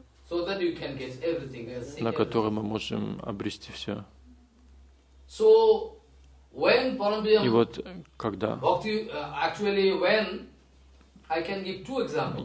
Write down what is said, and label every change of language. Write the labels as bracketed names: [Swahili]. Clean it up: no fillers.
[English] So that you can get everything. [Russian] На котором мы можем обрести все. [English] So when Parambriyam. [Russian] И вот когда. [English] Bhakti, actually when I can give two examples.